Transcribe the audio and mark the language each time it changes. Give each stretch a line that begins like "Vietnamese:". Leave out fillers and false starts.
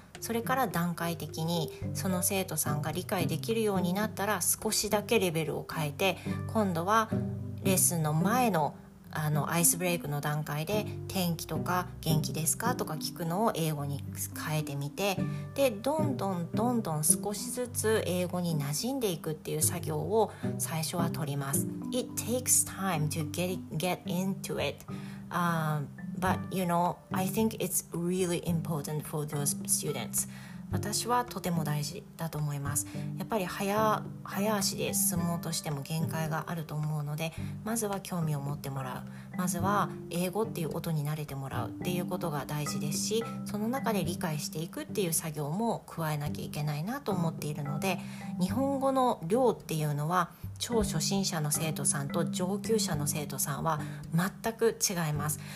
Japanese: それから段階的にその生徒さんが理解できるようになったら少しだけレベルを変えて、今度はレッスンの前のあのアイスブレイクの段階で天気とか元気ですかとか聞くのを英語に変えてみて、でどんどんどんどん少しずつ英語に馴染んでいくっていう作業を最初は取ります。
English: It takes time to get into it、but you know, I think it's really important for those students。
Japanese: 私はとても大事だと思います。やっぱり 早足で進もうとしても限界があると思うので、まずは興味を持ってもらう、まずは英語っていう音に慣れてもらうっていうことが大事ですし、その中で理解していくっていう作業も加えなきゃいけないなと思っているので、日本語の量っていうのは超初心者の生徒さんと上級者の生徒さんは全く違います。